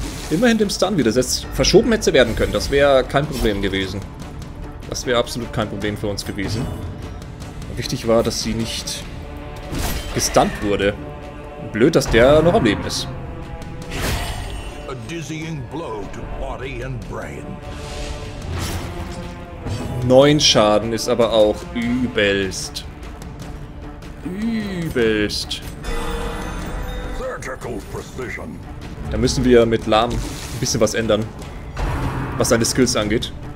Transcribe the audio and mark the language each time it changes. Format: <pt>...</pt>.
<de>Immerhin dem Stun widersetzt. Verschoben hätte sie werden können. Das wäre kein Problem gewesen. Das wäre absolut kein Problem für uns gewesen. Wichtig war, dass sie nicht gestunt wurde. Blöd, dass der noch am Leben ist.</de> <en>A dizzying blow to body and brain.</en> <de>9 Schaden ist aber auch übelst. Übelst.</de> <en>Surgical precision.</en> <de>Da müssen wir mit Lahm ein bisschen was ändern, was seine Skills angeht.</de>